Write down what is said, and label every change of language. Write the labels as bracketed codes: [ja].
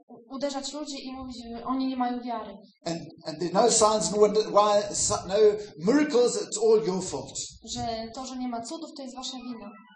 [pl] Uderzać ludzi i mówić, że oni nie mają wiary. [en] And there are no signs, no miracles, it's all your fault. [pl] Że to, że nie ma cudów, to jest wasza wina.